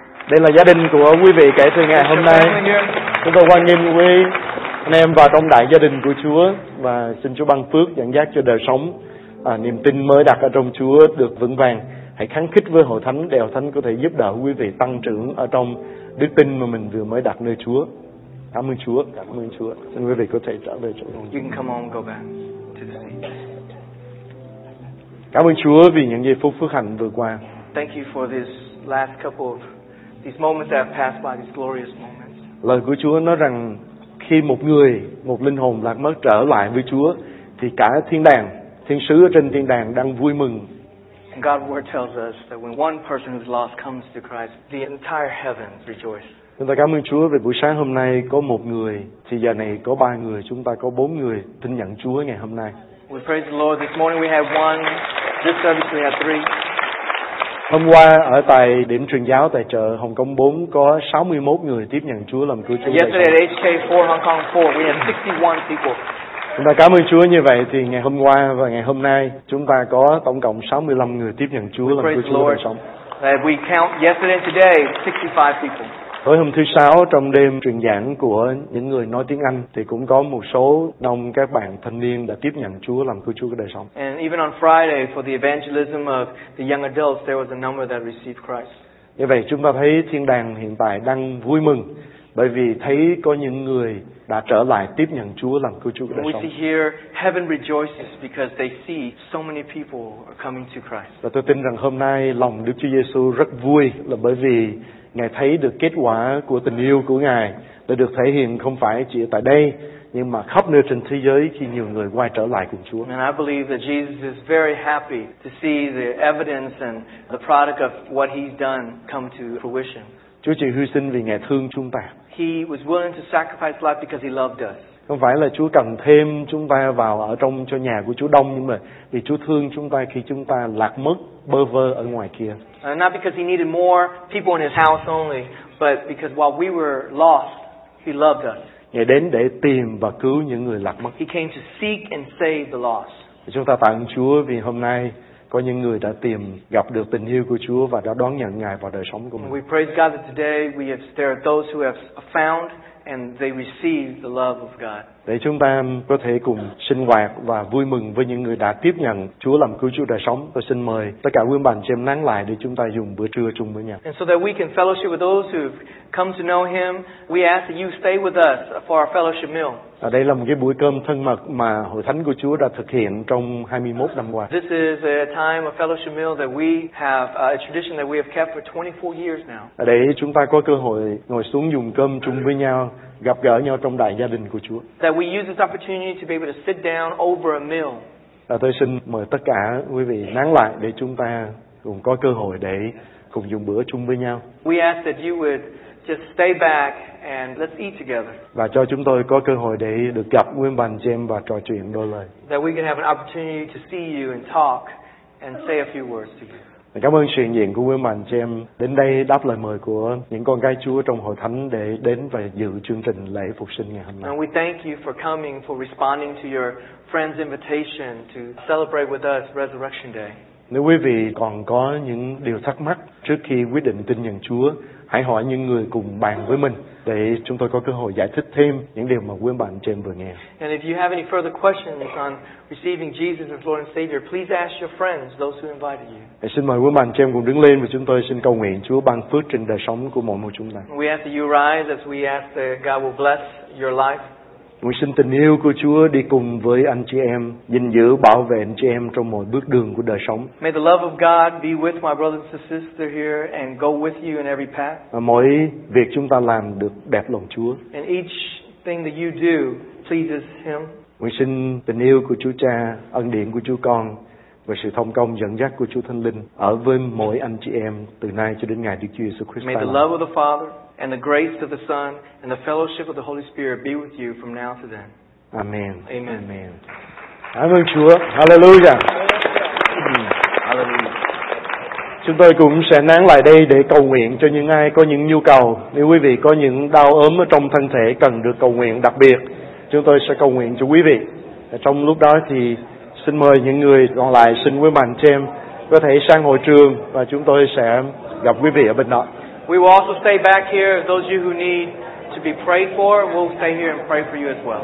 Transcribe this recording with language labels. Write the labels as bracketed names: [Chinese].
[Vietnamese] Đây là gia đình của quý vị kể từ ngày hôm nay. Chúng tôi hoan nghênh quý anh em vào trong đại gia đình của Chúa và xin Chúa ban phước dẫn dắt cho đời sống niềm tin mới đặt ở trong Chúa được vững vàng. Hãy kháng khích với Hội Thánh để Hội Thánh có thể giúp đỡ quý vị tăng trưởng ở trong đức tin mà mình vừa mới đặt nơi Chúa. Cảm ơn Chúa. Cảm ơn Chúa. Xin quý vị có thể trở về chỗ ngồi. [English] You can come on, go back to the seat. [Vietnamese] Cảm ơn Chúa vì những giây phút phước hạnh vừa qua. [English] Thank you for this last couple of these moments that have passed by, these glorious moments. [Vietnamese] Lời của Chúa nói rằng khi một người, một linh hồn lạc mất trở lại với Chúa thì cả thiên đàng, thiên sứ ở trên thiên đàng đang vui mừng. [English] And God's word tells us that when one person who's lost comes to Christ, the entire heavens rejoice. [Vietnamese] Chúng ta cảm ơn Chúa vì buổi sáng hôm nay có một người, thì giờ này có ba người, chúng ta có bốn người tin nhận Chúa ngày hôm nay. [English] We praise the Lord. This morning we have one. This service we have three. [Vietnamese] Hôm qua ở tại điểm truyền giáo tại chợ Hồng Kông 4 có 61 người tiếp nhận Chúa làm cứu Chúa. [English] Yesterday at HK 4 Hong Kong 4 we had 61 people. [Vietnamese] Chúng ta cảm ơn Chúa như vậy thì ngày hôm qua và ngày hôm nay chúng ta có tổng cộng 65 người tiếp nhận Chúa làm cứu Chúa đời sống. [English] We count yesterday and today 65 people. [Vietnamese] Tối hôm thứ sáu trong đêm truyền giảng của những người nói tiếng Anh thì cũng có một số đông các bạn thanh niên đã tiếp nhận Chúa làm cứu Chúa đời sống. [English] And even on Friday for the evangelism of the young adults there was a number that received Christ. [Vietnamese] Như vậy chúng ta thấy thiên đàng hiện tại đang vui mừng Bởi vì thấy có những người đã trở lại tiếp nhận Chúa làm cứu Chúa đời sống. [English] Here, heaven rejoices because they see so many people are coming to Christ. [Vietnamese] Và tôi tin rằng hôm nay lòng Đức Chúa Giêsu rất vui là bởi vì Ngài thấy được kết quả của tình yêu của Ngài đã được thể hiện không phải chỉ tại đây nhưng mà khắp nơi trên thế giới khi nhiều người quay trở lại cùng Chúa. [English] And I believe that Jesus is very happy to see the evidence and the product of what he's done come to fruition. [Vietnamese] Chúa chịu hy sinh vì Ngài thương chúng ta. [English] He was willing to sacrifice life because he loved us. [Vietnamese] Không phải là Chúa cần thêm chúng ta vào ở trong cho nhà của Chúa đông nhưng mà vì Chúa thương chúng ta khi chúng ta lạc mất bơ vơ ở ngoài kia. [English] Not because he needed more people in his house only, but because while we were lost, he loved us. [Vietnamese] Ngài đến để tìm và cứu những người lạc mất. [English] He came to seek and save the lost. [Vietnamese] Chúng ta tạ ơn Chúa vì hôm nay có những người đã tìm gặp được tình yêu của Chúa và đã đón nhận Ngài vào đời sống của mình. [English] We praise God that today we have there are those who have found and they receive the love of God. [Vietnamese] Để chúng ta có thể cùng sinh hoạt và vui mừng với những người đã tiếp nhận Chúa làm cứu Chúa đời sống, tôi xin mời tất cả quý ông bà anh chị em lắng lại để chúng ta dùng bữa trưa chung với nhau. [English] And so that we can fellowship with those who've come to know him, we ask that you stay with us for our fellowship meal. [Vietnamese] Ở đây là một cái buổi cơm thân mật mà Hội Thánh của Chúa đã thực hiện trong 21 năm qua. [English] This is a time of fellowship meal that we have a tradition that we have kept for 24 years now. [Vietnamese] Ở đây chúng ta có cơ hội ngồi xuống dùng cơm chung với nhau, gặp gỡ nhau trong đại gia đình của Chúa. [English] That we use this opportunity to be able to sit down over a meal. [Vietnamese] Và tôi xin mời tất cả quý vị nán lại để chúng ta cùng có cơ hội để cùng dùng bữa chung với nhau. [English] We ask that you would just stay back and let's eat together. [Vietnamese] Và cho chúng tôi có cơ hội để được gặp nguyên bàn chị em và trò chuyện đôi lời. [English] That we can have an opportunity to see you and talk and say a few words to you. [Vietnamese] Cảm ơn sự hiện diện của quý bạn chị em đến đây đáp lời mời của những con gái Chúa trong Hội Thánh để đến và dự chương trình lễ phục sinh ngày hôm nay. [English] And we thank you for coming, for responding to your friend's invitation to celebrate with us Resurrection Day. [Vietnamese] Nếu quý vị còn có những điều thắc mắc trước khi quyết định tin nhận Chúa, hãy hỏi những người cùng bàn với mình để chúng tôi có cơ hội giải thích thêm những điều mà quý bạn chị em vừa nghe. [English] And if you have any further questions on receiving Jesus as Lord and Savior, please ask your friends, those who invited you. [Vietnamese] Hãy xin mời quý bạn chị em cùng đứng lên và chúng tôi xin cầu nguyện Chúa ban phước trên đời sống của mỗi một chúng ta. [English] We ask that you rise as we ask that God will bless your life. [Vietnamese] Nguyện xin tình yêu của Chúa đi cùng với anh chị em, gìn giữ bảo vệ anh chị em trong mọi bước đường của đời sống. [English] May the love of God be with my brothers and sisters here and go with you in every path. [Vietnamese] Và mỗi việc chúng ta làm được đẹp lòng Chúa. [English] And each thing that you do pleases him. [Vietnamese] Nguyện xin tình yêu của Chúa Cha, ân điển của Chúa Con và sự thông công dẫn dắt của Chúa Thánh Linh ở với mỗi anh chị em từ nay cho đến ngày Đức Chúa Jesus Christ. [English] May the love of the Father and the grace of the Son and the fellowship of the Holy Spirit be with you from now to then. Amen. Amen. [Vietnamese] Amen. Cảm ơn Chúa. Hallelujah. Hallelujah. Chúng tôi cũng sẽ nán lại đây để cầu nguyện cho những ai có những nhu cầu. Nếu quý vị có những đau ốm ở trong thân thể cần được cầu nguyện đặc biệt, chúng tôi sẽ cầu nguyện cho quý vị. Trong lúc đó thì xin mời những người còn lại xin quý bạn xem có thể sang hội trường và chúng tôi sẽ gặp quý vị ở bên đó. [English] We will also stay back here. Those of you who need to be prayed for, we'll stay here and pray for you as well.